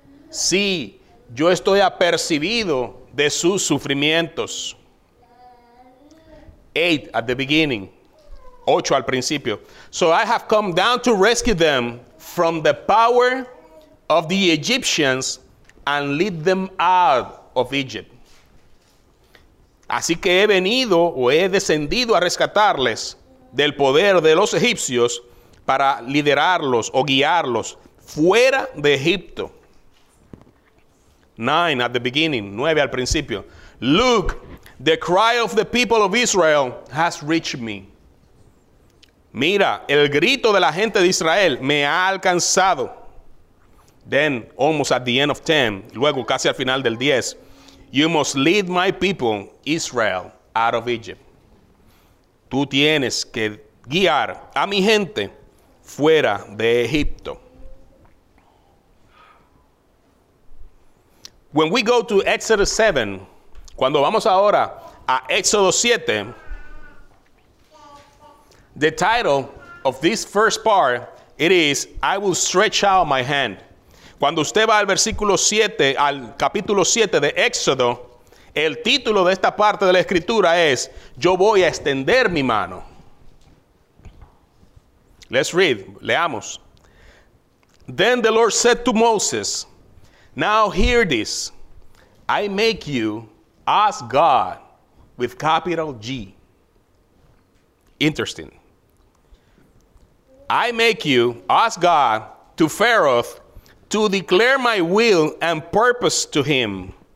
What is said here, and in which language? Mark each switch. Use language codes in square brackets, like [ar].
[es] Sí, yo estoy apercibido de sus sufrimientos. [en] 8 at the beginning. [es] 8 al principio. [en] So I have come down to rescue them from the power of the Egyptians and lead them out of Egypt. [es] Así que he venido o he descendido a rescatarles del poder de los egipcios para liderarlos o guiarlos fuera de Egipto. [en] 9 at the beginning, [es] 9 al principio. [en] Look, the cry of the people of Israel has reached me. [es] Mira, el grito de la gente de Israel me ha alcanzado. [en] Then, almost at the end of 10, [es] luego casi al final del 10. [en] You must lead my people, Israel, out of Egypt. [es] Tú tienes que guiar a mi gente fuera de Egipto. [en] When we go to Exodus 7, [es] cuando vamos ahora a Éxodo 7, [en] the title of this first part, it is, I will stretch out my hand. [es] Cuando usted va al versículo 7, al capítulo 7 de Éxodo, el título de esta parte de la escritura es, yo voy a extender mi mano. [en] Let's read, [es] leamos. [en] Then the Lord said to Moses, now hear this. I make you as God with capital G. Interesting. I make you as God to Pharaoh to declare my will and purpose to him.